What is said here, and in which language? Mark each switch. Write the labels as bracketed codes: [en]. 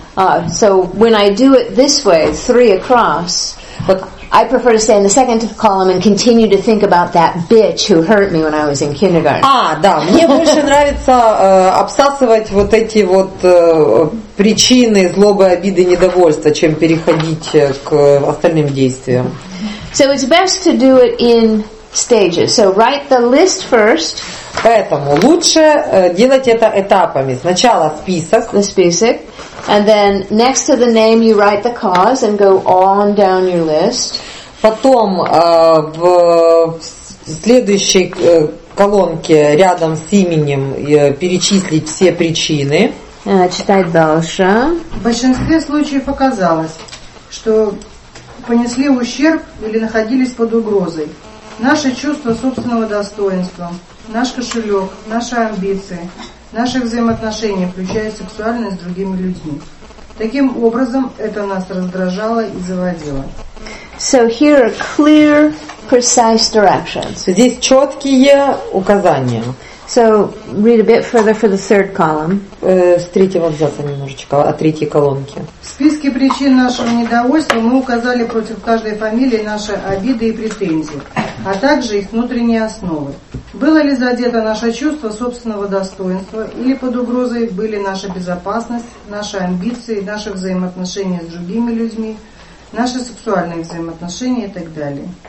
[en] So when I do it this way, three across. But I prefer to stay in the second column and continue to think about that bitch who hurt me when I was in kindergarten. [ru] А, да, мне больше нравится обсасывать вот эти вот причины злобы, обиды, недовольства, чем переходить к остальным действиям. [en] So it's best to do it in stages. So write the list first. [ru] Поэтому лучше делать это этапами. Сначала список. The список. [en] And then next to the name you write the cause and go on down your list. [ru] Потом в следующей колонке рядом с именем перечислить все причины. Читай дальше. В большинстве случаев оказалось, что понесли ущерб или находились под угрозой. Наше чувство собственного достоинства, наш кошелек, наши амбиции, наши взаимоотношения, включая сексуальность с другими людьми. Таким образом, это нас раздражало и заводило. [en] So here are clear, precise directions. [ru] Здесь четкие указания. [en] So read a bit further for the third column. [ru] С третьего абзаца немножечко, о третьей колонке. В списке причин нашего недовольства мы указали против каждой фамилии наши обиды и претензии, а также их внутренние основы. Было ли задето наше чувство собственного достоинства, или под угрозой были наша безопасность, наши амбиции, наши взаимоотношения с другими людьми, наши сексуальные взаимоотношения и так далее.